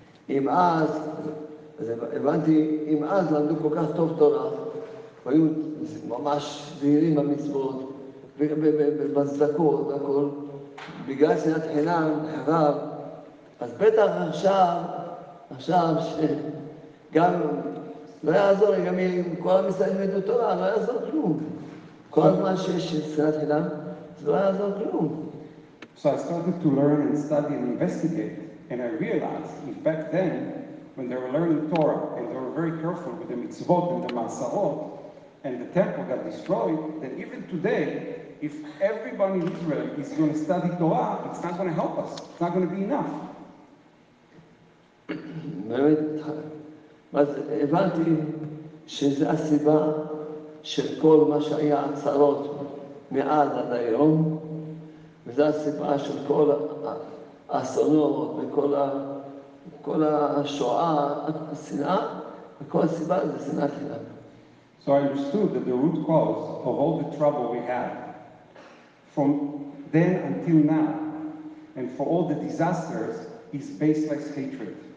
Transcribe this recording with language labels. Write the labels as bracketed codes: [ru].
[he] אם אז, אז הבנתי, אם אז למדו כל כך טוב תורה, היו ממש זהירים במצוות, ובצדקות, הכל, בגלל שנאת חינם, חרב, אז בטח עכשיו שגם לא יעזור, גם אם כל המסעים ידעו תורה, לא יעזור כלום. כל מה שיש שנאת חינם, זה לא יעזור כלום. [en] So I started to learn and study and investigate, and I realized, in fact then, when they were learning Torah, and they were very careful with the mitzvot and the masarot, and the temple got destroyed, that even today, if everybody in Israel is going to study Torah, it's not going to help us. It's not going to be enough. [he] באמת, אז הבנתי שזו הסיבה של כל מה שהיה הצרות מאז עד היום, וזו הסיבה של כל האסונות וכל השואה, השנאה, וכל הסיבה זה שנאת חינם. [en] So I understood that the root cause of all the trouble we had from then until now and for all the disasters is baseless hatred.